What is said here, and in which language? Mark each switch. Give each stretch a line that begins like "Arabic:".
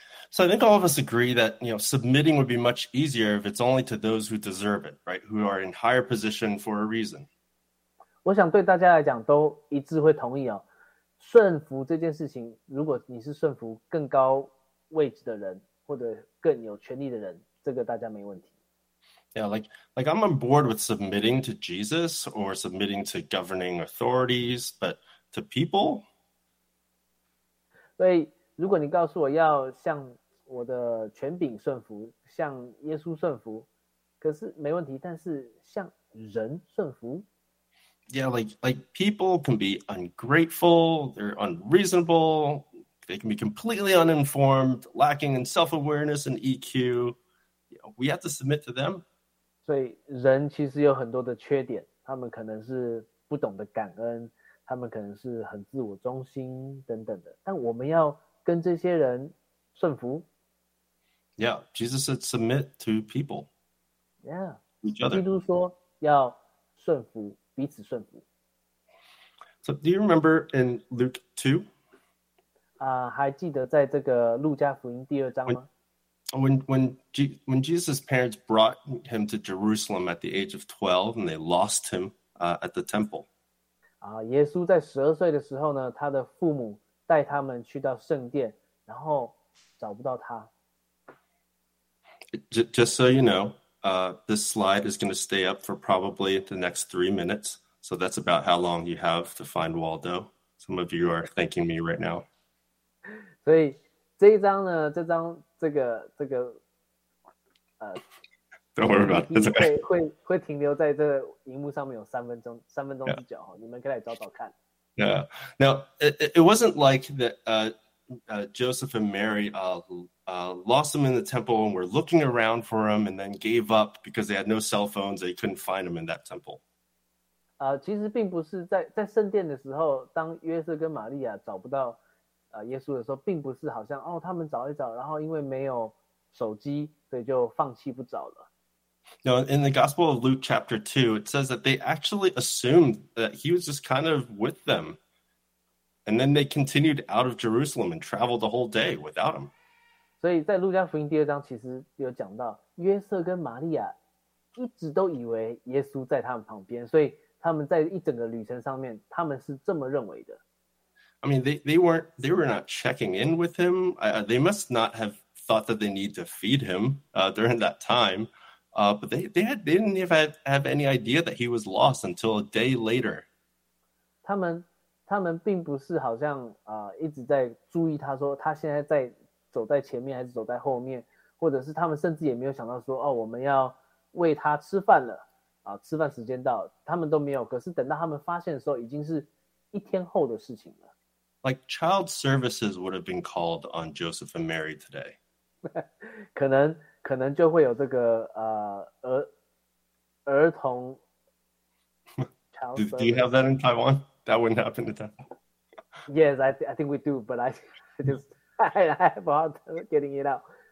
English: So, I think all of us agree that, you know, submitting would be much easier if it's only to those who deserve it, right? Who are in higher position for a reason.
Chinese: 我想对大家来讲都一致会同意哦。顺服这件事情，如果你是顺服更高位置的人，或者更有权力的人，这个大家没问题。
English: Yeah, like I'm on board with submitting to Jesus or submitting to governing authorities, but to people?
Chinese: 所以如果你告诉我要向我的权柄顺服，向耶稣顺服，可是没问题，但是向人顺服？
English: Yeah, like people can be ungrateful, they're unreasonable, they can be completely uninformed, lacking in self-awareness and EQ. Yeah, we have to submit to them.
Chinese: 所以人其实有很多的缺点，他们可能是不懂得感恩，他们可能是很自我中心等等的，但我们要跟这些人顺服。
English: Yeah, Jesus said submit to people. Yeah, each other.
Chinese: 基督说要顺服，彼此顺服。
English: So do you remember in Luke 2?
Chinese: 还记得在这个路加福音第二章吗？
English: When Jesus' parents brought him to Jerusalem at the age of 12, and they lost him at the temple.
Chinese: 耶稣在十二岁的时候呢，他的父母带他们去到圣殿，然后找不到他。
English: Just so you know, this slide is going to stay up for probably the next 3 minutes. So that's about how long you have to find Waldo. Some of you are thanking me right now.
Chinese: 所以这一张呢，这张。这个
English: Don't worry about it.
Chinese: 会停留在这荧幕上面有三分钟之久，你们可以来找找看。
English: Yeah. Now, it wasn't like that Joseph and Mary lost him in the temple and were looking around for him and then gave up because they had no cell phones, they couldn't find him in that temple.
Chinese: 其实并不是在圣殿的时候，当约瑟跟玛利亚找不到耶稣的时候，并不是好像哦，他们找一找，然后因为没有手机，所以就放弃不找了。
English: No, in the Gospel of Luke chapter 2, it says that they actually assumed that he was just kind of with them. And then they continued out of Jerusalem and traveled the whole day without him.
Chinese: 所以在路加福音第二章其实有讲到约瑟跟玛利亚一直都以为耶稣在他们旁边，所以他们在一整个旅程上面他们是这么认为的。
English: I mean, they were not checking in with him. They must not have thought that they need to feed him during that time. But they didn't even have any idea that he was lost until a day later.
Chinese: 他们并不是好像一直在注意他说他现在在走在前面还是走在后面，或者是他们甚至也没有想到说哦，我们要喂他吃饭了吃饭时间到，他们都没有。可是等到他们发现的时候，已经是一天后的事情了。
English: Like child services would have been called on Joseph and Mary today.
Chinese: 可能就会有这个儿童
English: child service. Do you have that in Taiwan? That wouldn't happen to them. Yes, I think we do, but I have a hard time getting it out.